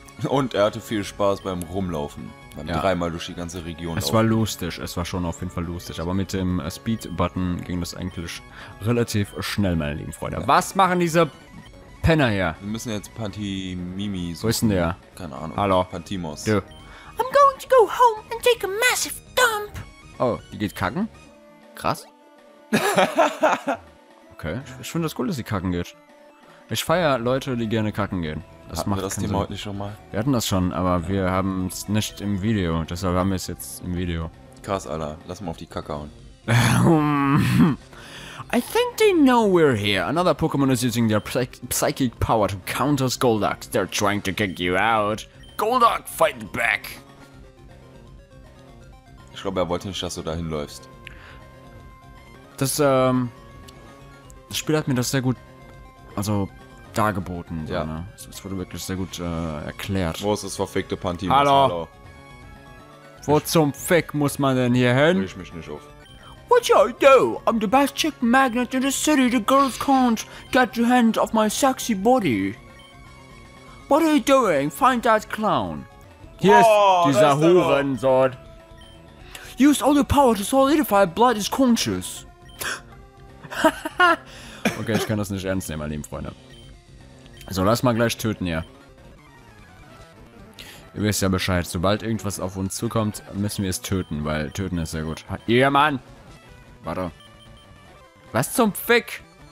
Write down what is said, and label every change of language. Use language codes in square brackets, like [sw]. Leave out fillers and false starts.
[de] Und er hatte viel Spaß beim Rumlaufen. Beim dreimal durch die ganze Region. Es war lustig, es war schon auf jeden Fall lustig. Aber mit dem Speed-Button ging das eigentlich relativ schnell, meine lieben Freunde. Ja. Was machen diese Penner hier? Wir müssen jetzt Pantimimi suchen. Wo ist denn der? Keine Ahnung. Hallo. Pantimos. Du. [en] I'm going to go home and take a massive dump. [de] Oh, die geht kacken? Krass. Okay, ich finde das cool, dass sie kacken geht. Ich feiere Leute, die gerne kacken gehen. Das hatten macht wir das Thema heute nicht schon mal? Wir hatten das schon, aber wir haben es nicht im Video. Deshalb haben wir es jetzt im Video. Krass, Alter. Lass mal auf die Kacke hauen. [en] I think they know we're here. Another Pokémon is using their psychic power to counter Golduck. They're trying to kick you out. Golduck, fight back! [de] Ich glaube, er wollte nicht, dass du dahin läufst. Das Spiel hat mir das sehr gut, also, dargeboten. Ja. So, ne? Es wurde wirklich sehr gut erklärt. Wo ist das verfickte Pantimos? Hallo! Wo zum Fick muss man denn hier hin? Ich mich nicht auf. [en] What y'all do? I'm the best chick magnet in the city. The girls can't get your hand off my sexy body. What are you doing? Find that clown. [de] Hier ist dieser Hurensohn. [en] Use all your power to solidify blood is conscious. [de] Okay, ich kann das nicht ernst nehmen, meine lieben Freunde. So, lass mal gleich töten hier. Ihr wisst ja Bescheid. Sobald irgendwas auf uns zukommt, müssen wir es töten, weil töten ist sehr gut. Ja, Mann! Warte. Was zum Fick?